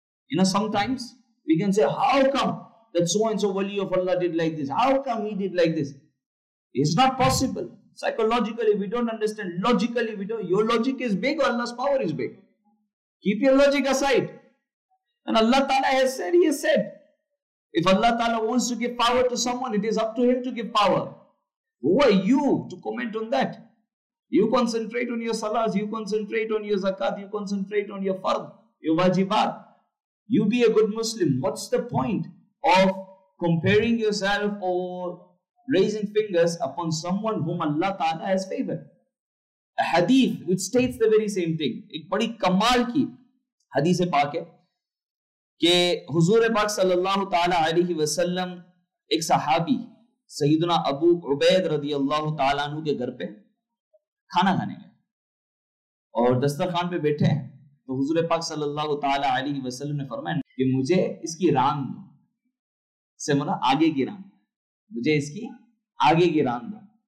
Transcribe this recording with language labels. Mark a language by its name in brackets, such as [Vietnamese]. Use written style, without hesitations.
[English] You know sometimes we can say how come that so and so वली of Allah did like this, how come he did like this, it's not possible psychologically, we don't understand logically, we don't, your logic is big और Allah power is big, keep your logic aside. And Allah ताला has said, he has said, if Allah Ta'ala wants to give power to someone, it is up to him to give power. Who are you to comment on that? You concentrate on your salahs, you concentrate on your zakat, you concentrate on your fard, your wajibat. You be a good Muslim. What's the point of comparing yourself or raising fingers upon someone whom Allah Ta'ala has favored? A hadith which states the very same thing. [Urdu] Ek badi kamal ki hadith hai paak hai. کہ حضور پاک صلی اللہ تعالیٰ علیہ وسلم ایک صحابی سیدنا ابو عبید رضی اللہ تعالیٰ عنہ کے گھر پہ کھانا کھانے گئے اور دسترخوان پہ بیٹھے ہیں، تو حضور پاک صلی اللہ تعالیٰ علیہ وسلم نے فرمایا کہ مجھے اس کی ران دو، سے مرا آگے کی ران، مجھے اس کی آگے کی ران دو۔